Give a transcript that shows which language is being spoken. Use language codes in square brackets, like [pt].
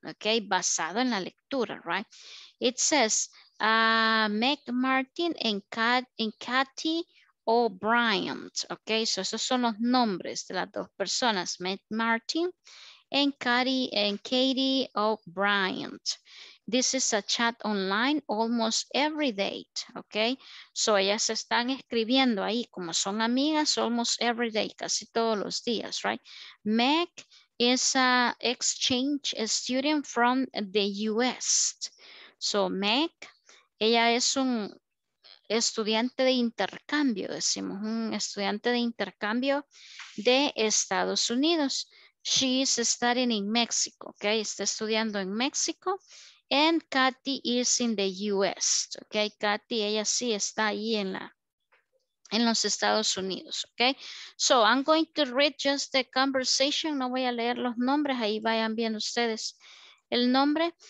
[es] Ok, basado en la lectura, right? [en] It says [es] Meg Martin and Kathy O'Brien, ok, so esos son los nombres de las dos personas, Meg Martin and Katie O'Brien. [en] This is a chat online almost every day. Okay. [es] So ellas están escribiendo ahí como son amigas [en] almost every day, [es] casi todos los días, right? [en] Meg is an exchange student from the US. [es] So Meg, ella es un estudiante de intercambio, decimos un estudiante de intercambio de Estados Unidos. [en] She is studying in Mexico, okay? [es] Está estudiando en México. [en] And Kathy is in the US, okay? [es] Kathy, ella sí está ahí en la en los Estados Unidos, [en] okay? So I'm going to read just the conversation. [es] No voy a leer los nombres, ahí vayan viendo ustedes el nombre.